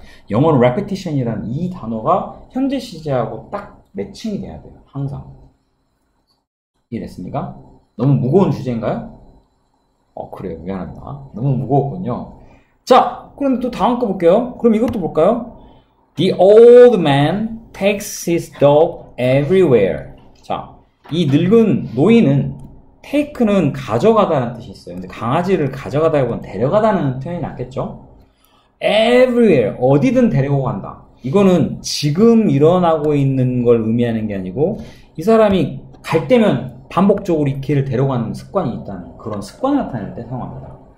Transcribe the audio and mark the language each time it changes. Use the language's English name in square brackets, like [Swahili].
[Korean] 영어로 repetition이라는 이 단어가 현재 시제하고 딱 매칭이 돼야 돼요. 항상. 이해됐습니까? 너무 무거운 주제인가요? 그래요. 미안합니다. 너무 무거웠군요. 자, 그럼 또 다음 거 볼게요. 그럼 이것도 볼까요? [English] The old man takes his dog everywhere. [Korean] 자, 이 늙은 노인은 take는 가져가다는 뜻이 있어요. 근데 강아지를 가져가다 보면 데려가다는 표현이 낫겠죠? Everywhere, 어디든 데리고 간다. 이거는 지금 일어나고 있는 걸 의미하는 게 아니고 이 사람이 갈 때면 반복적으로 이 개를 데려가는 습관이 있다는 그런 습관을 나타낼 때 사용합니다.